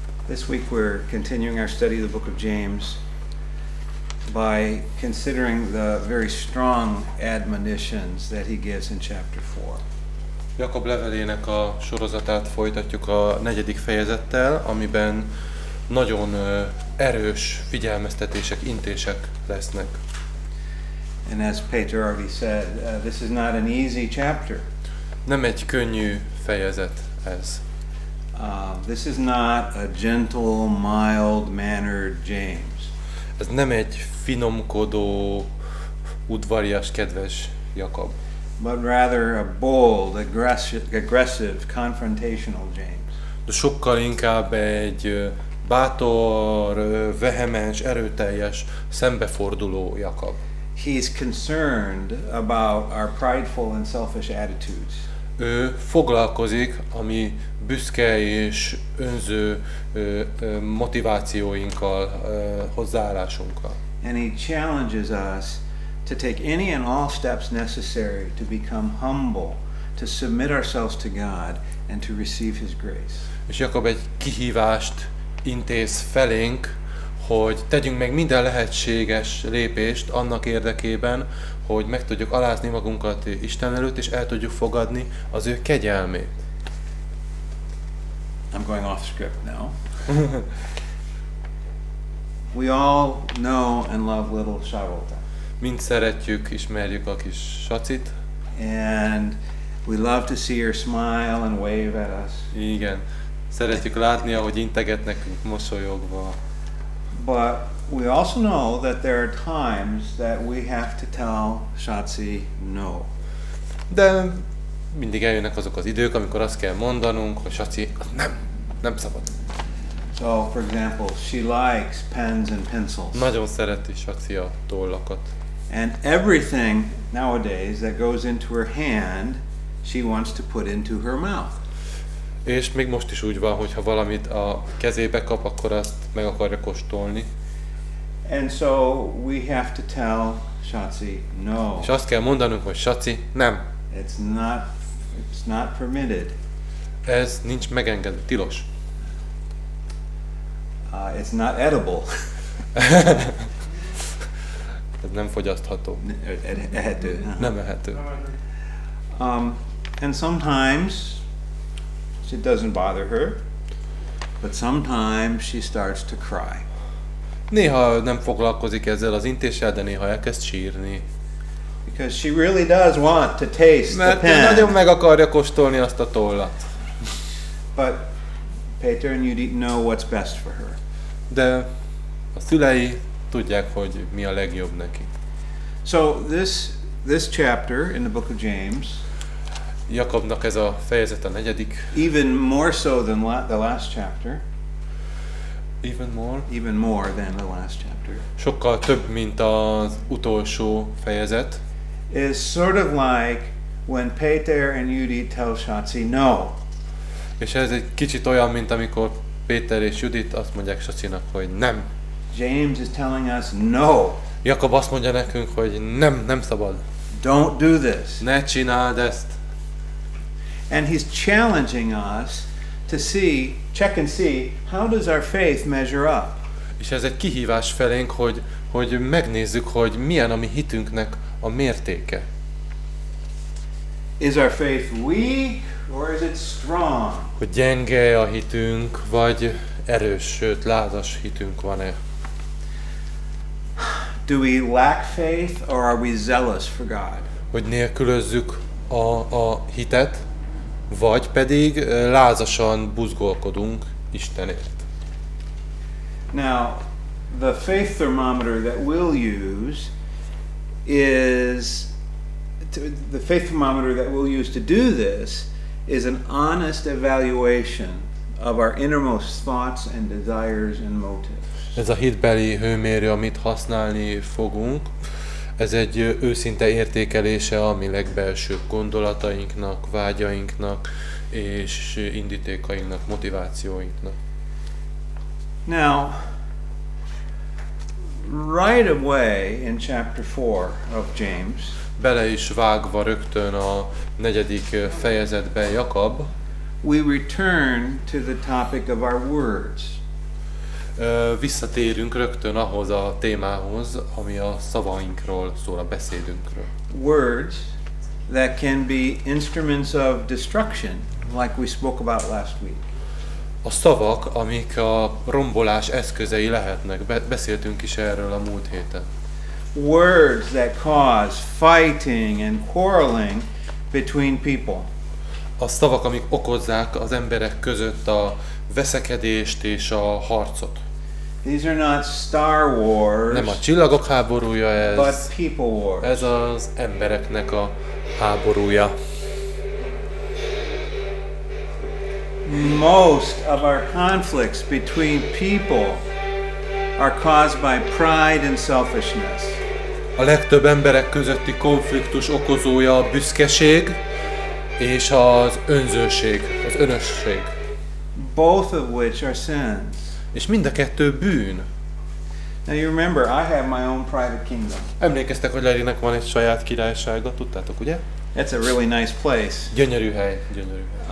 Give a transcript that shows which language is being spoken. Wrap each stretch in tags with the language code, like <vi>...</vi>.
<en>This week, we're continuing our study of the book of James by considering the very strong admonitions that he gives in chapter 4.</en> <hu>Jakab levelének a sorozatát folytatjuk a negyedik fejezettel, amiben nagyon erős figyelmeztetések, intések lesznek.</hu> <en>And as Peter already said, this is not an easy chapter.</en> <hu>Nem egy könnyű fejezet ez.</hu> <en>This is not a gentle, mild-mannered James.</en> <hu>Ez nem egy finomkodó, udvarias, kedves Jakab.</hu> <en>But rather a bold, aggressive, confrontational James.</en> <hu>De sokkal inkább egy bátor, vehemens, erőteljes, szembeforduló Jakab.</hu> <en>He's concerned about our prideful and selfish attitudes.</en> <hu>Ő foglalkozik a mi büszke és önző motivációinkkal, hozzáállásunkkal.</hu> <en>And he challenges us to take any and all steps necessary to become humble, to submit ourselves to God and to receive his grace.</en> <hu>És Jakab egy kihívást intéz felénk, hogy tegyünk meg minden lehetséges lépést annak érdekében, hogy meg tudjuk alázni magunkat Isten előtt, és el tudjuk fogadni az ő kegyelmét.</hu> <en>I'm going off script now. We all know and love little Charlotte.</en> <hu>Mind szeretjük, ismerjük a kis Sacit.</hu> <en>And we love to see her smile and wave at us.</en> <hu>Igen. Szeretjük látni, ahogy integet nekünk mosolyogva.</hu> <en>But we also know that there are times that we have to tell Shotzi no.</en> <hu>De mindig eljönnek azok az idők, amikor azt kell mondanunk, hogy Shotzi, nem szabad.</hu> <en>So, for example, she likes pens and pencils.</en> <hu>Nagyon szereti Shotzi a tollakat.</hu> <en>And everything nowadays that goes into her hand, she wants to put into her mouth.</en> <hu>És még most is úgy van, hogyha valamit a kezébe kap, akkor azt meg akarja kóstolni.</hu> <en>And so we have to tell Shotzi no.</en> <hu>És azt kell mondanunk, hogy Shotzi, nem.</hu> <en>It's not permitted.</en> <hu>Ez nincs megengedve, tilos.</hu> <en>It's not edible.</en> <hu>Ez nem fogyasztható. Ehető. Nem ehető.</hu> <en>And sometimes she doesn't bother her, but sometimes she starts to cry.</en> <hu>Néha nem foglalkozik ezzel az intéssel, de néha elkezd sírni.</hu> <en>Because she really does want to taste the pen.</en> <hu>Mert nagyon meg akarja kóstolni azt a tollat.</hu> <en>But Peter and Judith know what's best for her.</en> <hu>De a szülei tudják, hogy mi a legjobb neki.</hu> <en>So this chapter in the book of James,</en> <hu>Jakabnak ez a fejezet a negyedik.</hu> <en>Even more so than the last chapter. Even more than the last chapter.</en> <hu>Sokkal több, mint az utolsó fejezet.</hu> <en>Is sort of like when Peter and Judit tell Shotzi no.</en> <hu>És ez egy kicsit olyan, mint amikor Péter és Judit azt mondják Shotzinak, hogy nem.</hu> <en>James is telling us no.</en> <hu>Jakab azt mondja nekünk, hogy nem szabad.</hu> <en>Don't do this.</en> <hu>Ne csináld ezt.</hu> <en>And he's challenging us to see, check and see, how does our faith measure up?</en> <hu>És ez egy kihívás felénk, hogy megnézzük, hogy milyen a mi hitünknek a mértéke.</hu> <en>Is our faith weak or is it strong?</en> <hu>Hogy gyenge a hitünk, vagy erős, sőt, lázas hitünk van-e?</hu> <en>Do we lack faith or are we zealous for God?</en> <hu>Hogy nélkülözzük a hitet? Vagy pedig lázasan buzgolkodunk Istenért.</hu> <en>Now, the faith thermometer that we'll use is the faith thermometer that we'll use to do this is an honest evaluation of our innermost thoughts and desires and motives.</en> <hu>Ez a hitbeli hőmérő, amit használni fogunk. Ez egy őszinte értékelése a mi legbelsőbb gondolatainknak, vágyainknak és indítékainknak, motivációinknak.</hu> <en>Now, right away in chapter 4 of James,</en> <hu>bele is vágva rögtön a negyedik fejezetbe Jakab,</hu> <en>we return to the topic of our words.</en> <hu>visszatérünk rögtön ahhoz a témához, ami a szavainkról szól, a beszédünkről.</hu> <en>Words that can be instruments of destruction, like we spoke about last week.</en> <hu>A szavak, amik a rombolás eszközei lehetnek, beszéltünk is erről a múlt héten.</hu> <en>Words that cause fighting and quarreling between people.</en> <hu>A szavak, amik okozzák az emberek között a veszekedést és a harcot.</hu> <en>These are not Star Wars.</en> <hu>Nem a Csillagok háborúja ez.</hu> <en>But people wars.</en> <hu>Ez az embereknek a háborúja.</hu> <en>Most of our conflicts between people are caused by pride and selfishness.</en> <hu>A legtöbb emberek közötti konfliktus okozója a büszkeség és az önzőség, az önösség.</hu> <en>Both of which are sins.</en> <hu>És mind a kettő bűn.</hu> <en>Now you remember, I have my own private kingdom.</en> <hu>Emlékeztek, hogy Larrynek van egy saját királysága, tudtátok, ugye?</hu> <en>It's a really nice place.</en> <hu>Gyönyörű hely, gyönyörű.</hu>